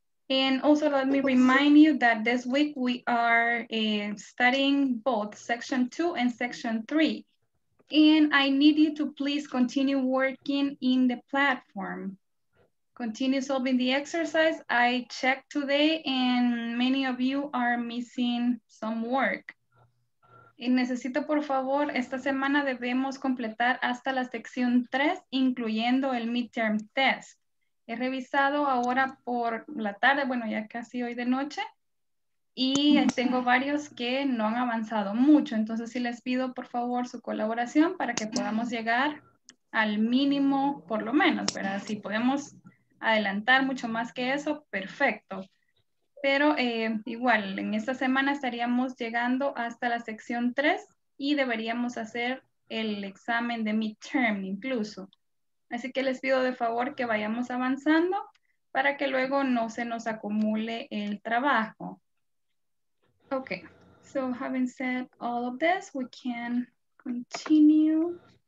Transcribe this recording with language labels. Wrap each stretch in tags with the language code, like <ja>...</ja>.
<en>And also let me remind you that this week we are studying both section 2 and section 3. And I need you to please continue working in the platform. Continue solving the exercise. I checked today and many of you are missing some work.</en> <es>Y necesito, por favor, esta semana debemos completar hasta la sección 3, incluyendo el midterm test. He revisado ahora por la tarde, bueno, ya casi hoy de noche, y tengo varios que no han avanzado mucho. Entonces, sí les pido, por favor, su colaboración para que podamos llegar al mínimo, por lo menos, ¿verdad? Si podemos adelantar mucho más que eso, perfecto. Pero igual, en esta semana estaríamos llegando hasta la sección 3 y deberíamos hacer el examen de midterm incluso. Así que les pido de favor que vayamos avanzando para que luego no se nos acumule el trabajo.</es> <en>Ok, so having said all of this, we can continue.</en>